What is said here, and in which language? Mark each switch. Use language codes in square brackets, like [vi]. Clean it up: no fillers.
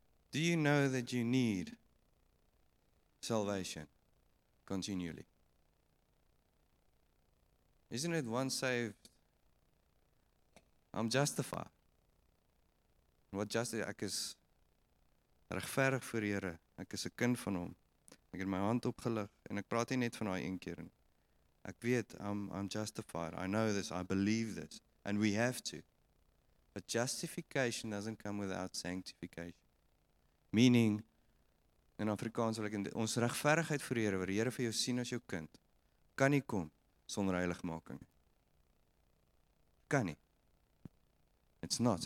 [en] Do you know that you need salvation continually? Isn't it once saved, I'm justified? [af] Wat justice, ek is regverdig voor die Here. Ek is 'n kind van hom. Ek het my hand opgelig en ek praat nie net van daai een keer nie. Ek weet, [en] I'm justified. I know this, I believe this, and we have to. But justification doesn't come without sanctification. [af] Meaning, in Afrikaans wil ek, ons regverdigheid voor die Here, waar die Here vir jou sien as jou kind, kan nie kom sonder heiligmaking. Kan nie. [en] It's not.